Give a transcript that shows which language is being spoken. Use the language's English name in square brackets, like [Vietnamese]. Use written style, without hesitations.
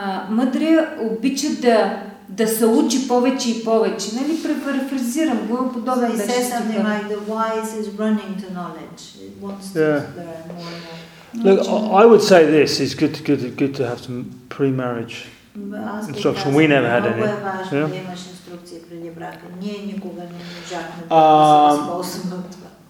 [Bulgarian] Мъдрия обича да се учи повече и повече, нали, префразирам го подобен so беше стихът. [English] Like the wise is running to knowledge. It wants to learn more. Look, I would say this is good to have some pre-marriage instruction. We never had any. [Bulgarian] Важно, yeah? Имаш инструкции преди брака. Ние никога не можахме да се възползваме от това.